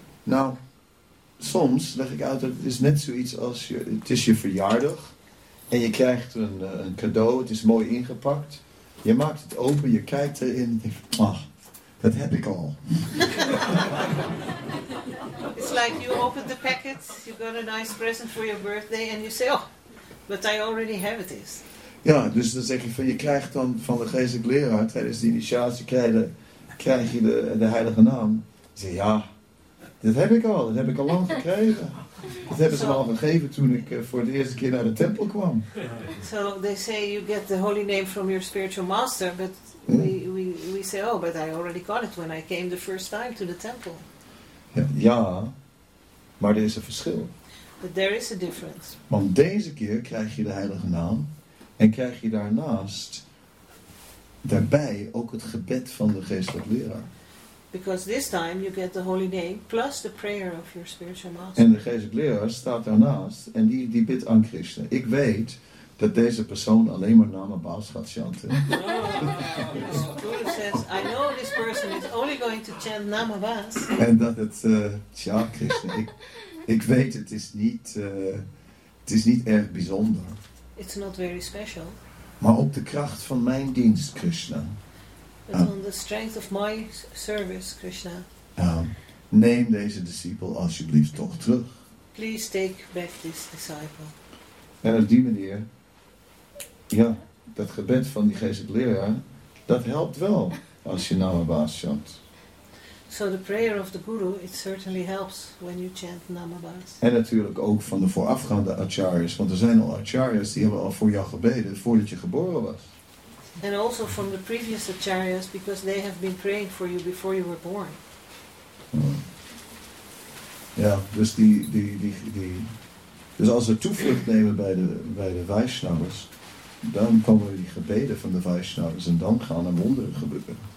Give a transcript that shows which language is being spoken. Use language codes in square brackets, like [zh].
[nl] Nou, soms leg ik uit dat het is net zoiets als het is je verjaardag en je krijgt een cadeau, het is mooi ingepakt. Je maakt het open, je kijkt erin, ach, dat heb ik al. [en] It's like you open the packet, you got a nice present for your birthday and you say, oh, but I already have this. [nl] Ja, dus dan zeg je van, je krijgt dan van de geestelijke leraar tijdens de initiatie, krijg je de heilige naam. Je zegt, ja, dit heb ik al, dat heb ik al lang gekregen. Dat hebben ze me al gegeven toen ik voor de eerste keer naar de tempel kwam. [en] So they say you get the holy name from your spiritual master, but we say, oh, but I already got it when I came the first time to the temple. [nl] Ja, maar er is een verschil. [en] But there is a difference. [nl] Want deze keer krijg je de heilige naam en krijg je daarbij ook het gebed van de geestelijke leraar. [en] Because this time you get the holy name plus the prayer of your spiritual master. [nl] En de geestelijke leraar staat daarnaast en die bidt aan Krishna. Ik weet dat deze persoon alleen maar Naam Abbas gaat chanten. [en] Guru says, I know this person is only going to chant Naam Abbas. [nl] En dat het, tja Krishna, ik weet het is niet erg bijzonder. [en] It's not very special. [nl] Maar op de kracht van mijn dienst, Krishna. [en] On the strength of my service, Krishna. [nl] Neem deze discipel alsjeblieft toch terug. [en] Please take back this disciple. [nl] En op die manier, ja, dat gebed van die geestelijke leraar, dat helpt wel als je Nama Bhasa chant. [en] So the prayer of the guru, it certainly helps when you chant Nama Bhasa. [nl] En natuurlijk ook van de voorafgaande acharyas, want er zijn al acharyas die hebben al voor jou gebeden voordat je geboren was. [en] And also from the previous acharyas, because they have been praying for you before you were born. [nl] Ja, dus die dus als we toevlucht nemen bij de Vaishnavas, dan komen die gebeden van de Vaishnavas en dan gaan er wonderen gebeuren.